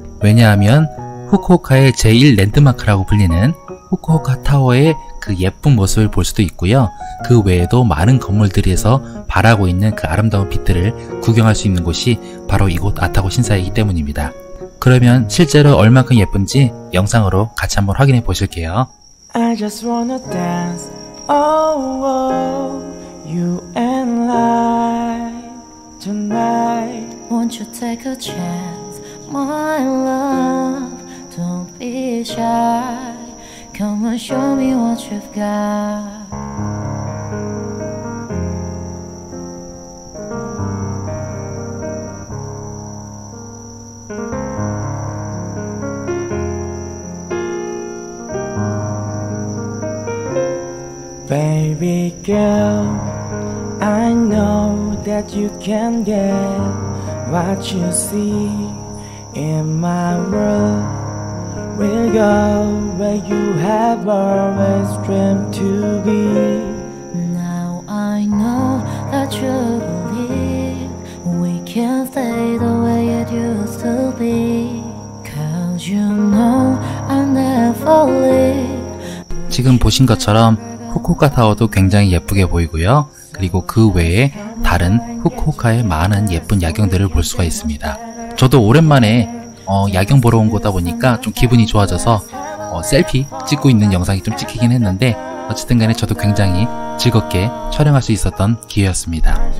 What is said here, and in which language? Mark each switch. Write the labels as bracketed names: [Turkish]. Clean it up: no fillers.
[Korean] 왜냐하면 후쿠오카의 제1 랜드마크라고 불리는 후쿠오카 타워의 그 예쁜 모습을 볼 수도 있고요. 그 외에도 많은 건물들에서 바라고 있는 그 아름다운 빛들을 구경할 수 있는 곳이 바로 이곳 아타고 신사이기 때문입니다. 그러면 실제로 얼만큼 예쁜지 영상으로 같이 한번 확인해 보실게요. [English] I just wanna dance, oh, oh, you and I tonight. Won't you take a chance, my love, don't be shy. Come and show me what you've got. Baby girl, I know that you can get what you see in my world. We'll go where you have always dreamed to be. Now I know that you believe we can stay the way it used to be. Cause you know I'll never leave. [Korean] 지금 보신 것처럼 후쿠오카 타워도 굉장히 예쁘게 보이고요. 그리고 그 외에 다른 후쿠오카의 많은 예쁜 야경들을 볼 수가 있습니다. 저도 오랜만에 야경 보러 온 거다 보니까 좀 기분이 좋아져서 셀피 찍고 있는 영상이 좀 찍히긴 했는데 어쨌든 간에 저도 굉장히 즐겁게 촬영할 수 있었던 기회였습니다.